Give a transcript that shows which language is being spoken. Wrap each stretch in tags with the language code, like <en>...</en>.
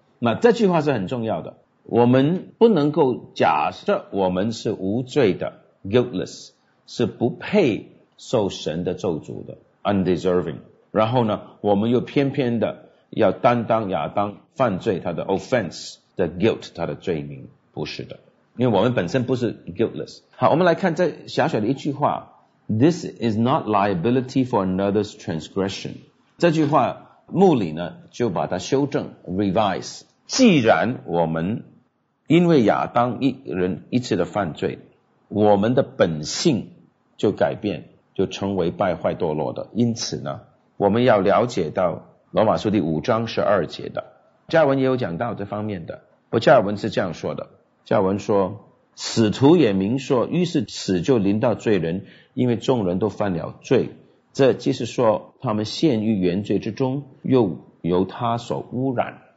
<zh>那这句话是很重要的，我们不能够假设我们是无罪的， guiltless 是不配受神的咒诅的， undeserving， 然后呢我们又偏偏的要担当亚当犯罪他的 offense 的 guilt 他的罪名，不是的，因为我们本身不是 guiltless。好，我们来看这狭小的一句话，</zh> <en>This is not liability for another's transgression。</en> <zh>这句话穆里呢就把它修正 revise， 既然我们因为亚当一人一次的犯罪，我们的本性就改变，就成为败坏堕落的，因此呢我们要了解到罗马书第五章十二节的加尔文也有讲到这方面的，不，加尔文是这样说的，加尔文说，使徒也明说，于是死就临到罪人，因为众人都犯了罪，这即是说他们陷于原罪之中，又由他所污染。</zh>